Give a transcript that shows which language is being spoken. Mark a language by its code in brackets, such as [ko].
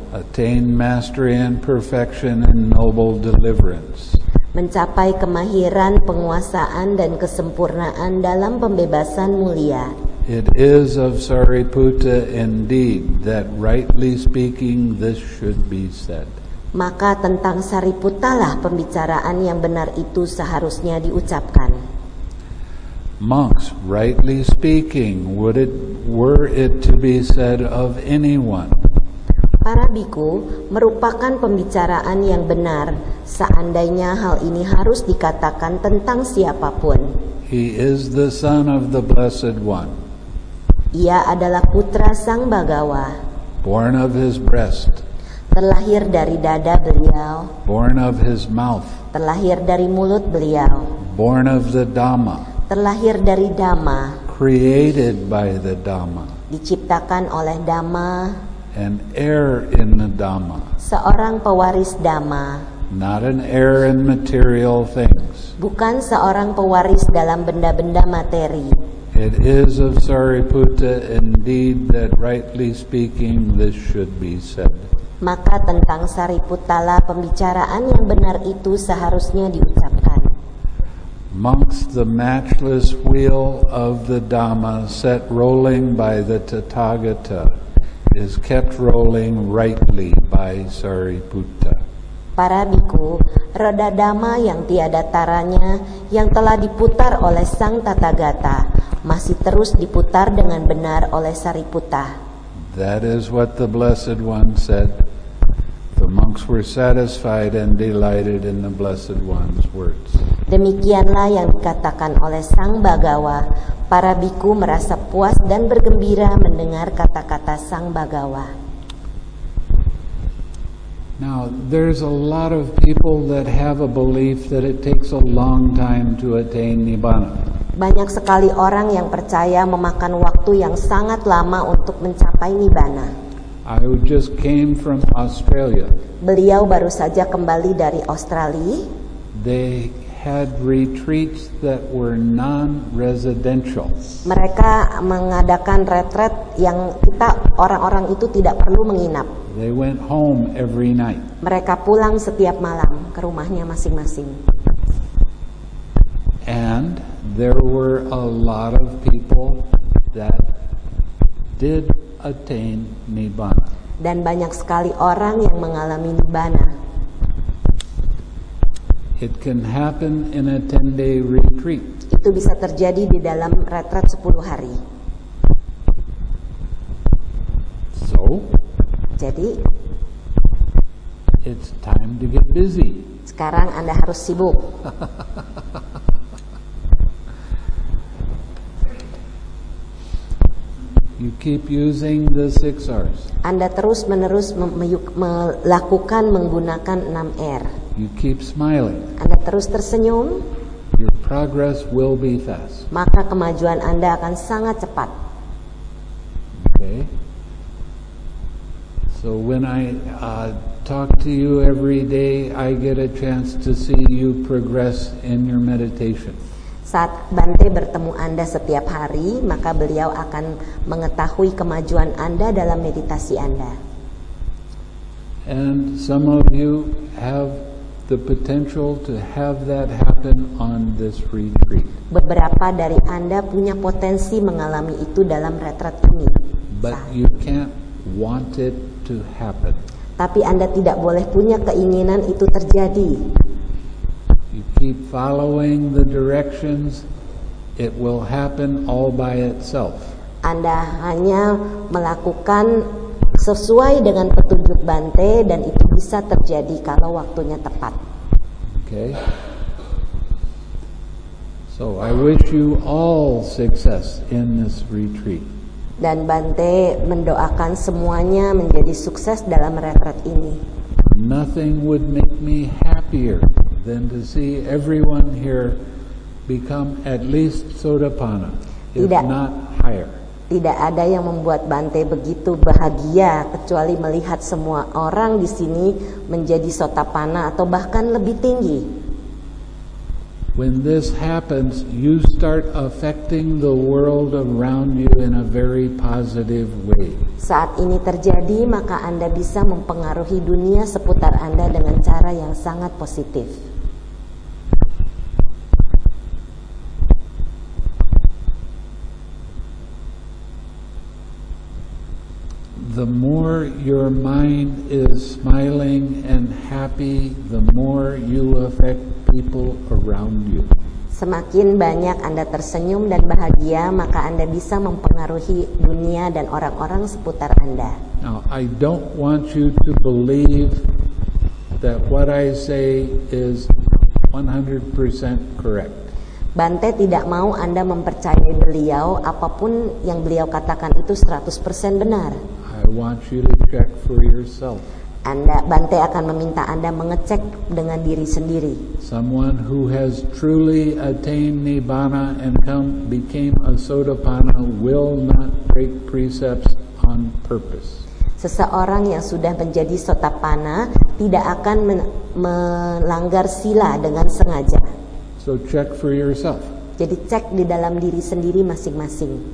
[en] Attain mastery and perfection and noble deliverance. [id] Mencapai kemahiran, penguasaan, dan kesempurnaan dalam pembebasan mulia. [en] It is of Sariputta indeed that rightly speaking this should be said. [id] Maka tentang Sariputta lah pembicaraan yang benar itu seharusnya diucapkan. [en] Monks, rightly speaking, were it to be said of anyone. [id] Para bhikkhu merupakan pembicaraan yang benar seandainya hal ini harus dikatakan tentang siapapun. [en] He is the son of the blessed one. [id] Ia adalah putra Sang Bhagawa. [en] Born of his breast. [id] Terlahir dari dada beliau. [en] Born of his mouth. [id] Terlahir dari mulut beliau. [en] Born of the Dhamma. [id] Terlahir dari Dhamma. [en] Created by the Dhamma. [id] Diciptakan oleh Dhamma. [en] An heir in the Dhamma. [id] Seorang pewaris Dhamma. [en] Not an heir in material things. [id] Bukan seorang pewaris dalam benda-benda materi. [en] It is of Sariputta indeed that rightly speaking this should be said. [id] Maka tentang Sariputta lah pembicaraan yang benar itu seharusnya diucapkan. [en] Monks, the matchless wheel of the Dhamma set rolling by the Tathagata is kept rolling rightly by Sariputta. [id] Para bhikkhu, roda Dhamma yang tiada taranya yang telah diputar oleh Sang Tathagata masih terus diputar dengan benar oleh Sariputta. [en] That is what the Blessed One said. The monks were satisfied and delighted in the Blessed One's words. [id] Demikianlah yang dikatakan oleh Sang Bhagawa. Para bhikkhu merasa puas dan bergembira mendengar kata-kata Sang Bhagawa. [en] Now, there's a lot of people that have a belief that it takes a long time to attain Nibbana. [id] Banyak sekali orang yang percaya memakan waktu yang sangat lama untuk mencapai Nibbana. [en] I just came from Australia. [id] Beliau baru saja kembali dari Australia. [en] They had retreats that were non-residential. [id] Mereka mengadakan retret yang kita orang-orang itu tidak perlu menginap. [en] They went home every night. [id] Mereka pulang setiap malam ke rumahnya masing-masing. [en] And there were a lot of people that did attain Nibbana. [id] Dan banyak sekali orang yang mengalami Nibbana. [en] It can happen in a 10-day retreat. [id] Itu bisa terjadi di dalam retret 10 hari. [en] So, [id] jadi [en] it's time to get busy. [id] Sekarang Anda harus sibuk. [en] You keep using the 6 R's. [id] Anda terus-menerus melakukan menggunakan 6 R. [en] You keep smiling. [id] Anda terus tersenyum. [en] Your progress will be fast. [id] Maka kemajuan Anda akan sangat cepat. [en] Okay. So when I talk to you every day, I get a chance to see you progress in your meditation. [id] Saat Bante bertemu Anda setiap hari, maka beliau akan mengetahui kemajuan Anda dalam meditasi Anda. [en] And some of you have the potential to have that happen on this retreat. [id] Beberapa dari Anda punya potensi mengalami itu dalam retret ini. [en] But you can't want it to happen. [id] Tapi Anda tidak boleh punya keinginan itu terjadi. [en] You keep following the directions, it will happen all by itself. [id] Anda hanya melakukan sesuai dengan petunjuk Bante dan itu bisa terjadi kalau waktunya tepat. [en] Okay. So I wish you all success in this retreat. [id] Dan Bante mendoakan semuanya menjadi sukses dalam retret ini. [en] Nothing would make me happier than to see everyone here become at least sotapanna, if not higher. [id] Tidak ada yang membuat Bante begitu bahagia kecuali melihat semua orang di sini menjadi sotapanna atau bahkan lebih tinggi. [en] When this happens, you start affecting the world around you in a very positive way. [id] Saat ini terjadi, maka Anda bisa mempengaruhi dunia seputar Anda dengan cara yang sangat positif. [en] The more your mind is smiling and happy, the more you affect people around you. [id] Semakin banyak Anda tersenyum dan bahagia, maka Anda bisa mempengaruhi dunia dan orang-orang seputar Anda. [en] Now, I don't want you to believe that what I say is 100% correct. [id] Bante tidak mau Anda mempercayai beliau, apapun yang beliau katakan itu 100% benar. [en] I want you to check for yourself. [id] Anda, Bante akan meminta Anda mengecek dengan diri sendiri. [en] Someone who has truly attained Nibbana and became a Sotapanna will not break precepts on purpose. [id] Seseorang yang sudah menjadi Sotapanna tidak akan melanggar sila dengan sengaja. [en] So check for yourself. [id] Jadi cek di dalam diri sendiri masing-masing.